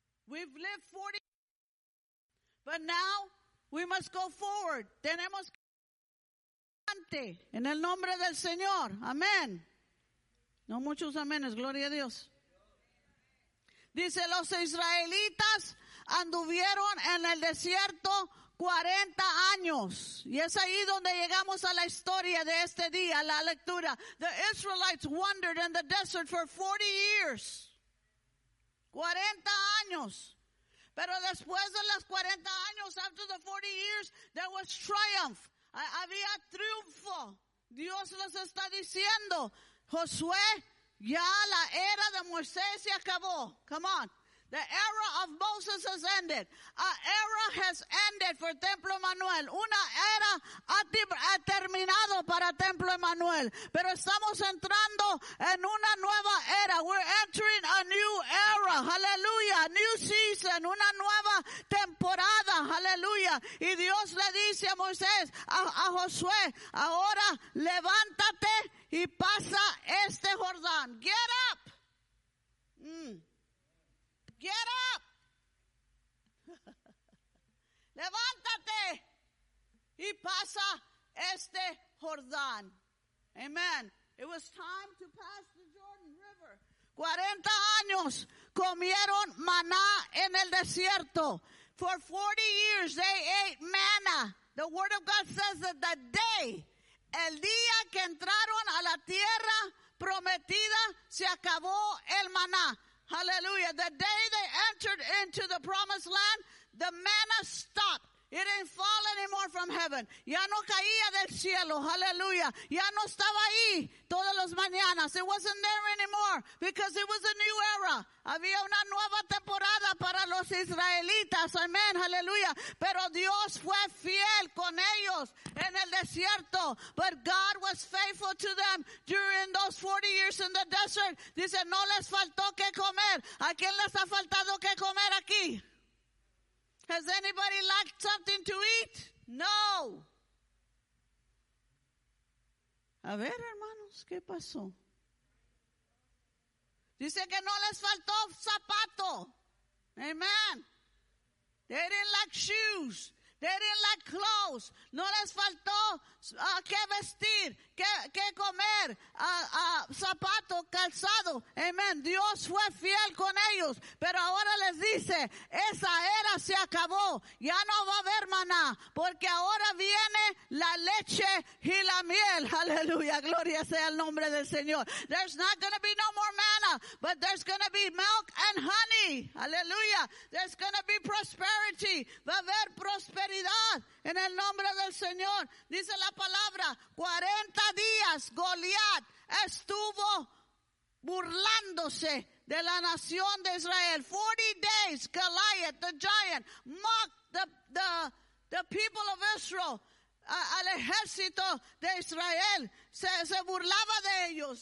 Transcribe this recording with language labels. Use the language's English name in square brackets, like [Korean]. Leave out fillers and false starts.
[English] We've lived 40 years, but now we must go forward. [Spanish] Tenemos que adelante en el nombre del Señor. Amén. No muchos aménes, gloria a Dios. Dice, los israelitas anduvieron en el desierto 40 años. Y es ahí donde llegamos a la historia de este día, la lectura. [English] The Israelites wandered in the desert for 40 years. [Spanish] 40 años. Pero después de los 40 años, [English] after the 40 years, there was triumph. [Spanish] Había triunfo. Dios les está diciendo, Josué, ya la era de Moisés se acabó. [English] Come on. The era of Moses has ended. A era has ended for Templo Emanuel. [Spanish] Una era ha terminado para Templo Emanuel. Pero estamos entrando en una nueva era. [English] We're entering a new era. Hallelujah. A new season. [Spanish] Una nueva temporada. Hallelujah. Y Dios le dice a Moisés, a Josué, ahora levántate y pasa este Jordán. [English] Get up. Get up. [Spanish] Levántate y pasa este Jordán. Amen. [English] It was time to pass the Jordan River. [Spanish] 40 años comieron maná en el desierto. [English] For 40 years they ate manna. The word of God says that the day, [Spanish] el día que entraron a la tierra prometida, se acabó el maná. [English] Hallelujah. The day they entered into the promised land, the manna stopped. It didn't fall anymore from heaven. [Spanish] Ya no caía del cielo. Hallelujah. Ya no estaba ahí todas las mañanas. [English] It wasn't there anymore because it was a new era. [Spanish] Había una nueva temporada para los israelitas. Amen. Hallelujah. Pero Dios fue fiel con ellos en el desierto. [English] But God was faithful to them during those 40 years in the desert. [Spanish] Dice, no les faltó que comer. ¿A quién les ha faltado que comer aquí? [English] Has anybody lacked something to eat? No. [Spanish] A ver, hermanos, ¿qué pasó? Dice que no les faltó zapato. Amen. [English] They didn't lack shoes. They didn't lack clothes. [Spanish] No les faltó qué vestir, qué comer, zapato, calzado. Amen. Dios fue fiel con ellos. Pero ahora les dice, esa era se acabó. Ya no va a haber maná. Porque ahora viene la leche y la miel. Aleluya. Gloria sea el nombre del Señor. [English] There's not going to be no more manna, but there's going to be milk and honey. Aleluya. There's going to be prosperity. [Spanish] Va a haber prosperidad. En el nombre del Señor, dice la palabra, 40 días Goliat estuvo burlándose de la nación de Israel. [English] 40 days Goliath the giant mocked the people of Israel, [Spanish] al ejército de Israel, se burlaba de ellos.